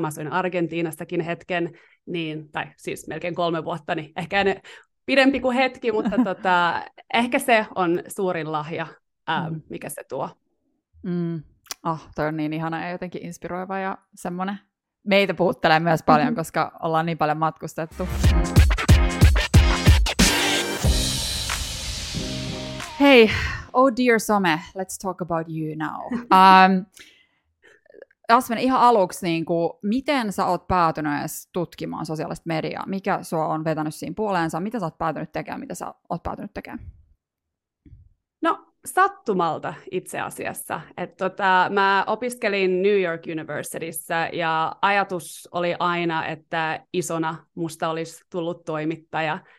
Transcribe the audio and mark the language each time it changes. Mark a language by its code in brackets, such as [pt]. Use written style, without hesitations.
[fi] Mä asuin Argentiinastakin hetken, niin, tai siis melkein 3 vuotta, niin ehkä en pidempi kuin hetki, mutta ehkä se on suurin lahja, mikä se tuo. Mm. Oh, toi on niin ihana ja jotenkin inspiroiva ja semmoinen. Meitä puhuttelee myös paljon, koska ollaan niin paljon matkustettu. [en] Hei, oh dear some, let's talk about you now. [fi] Asven, ihan aluksi, niin kuin, miten sä oot päätynyt edes tutkimaan sosiaalista mediaa? Mikä sua on vetänyt siinä puoleensa? Mitä sä oot päätynyt tekemään? Mitä sä oot päätynyt tekemään? No, sattumalta itse asiassa. Mä opiskelin New York Universityssä ja ajatus oli aina, että isona musta olisi tullut toimittaja.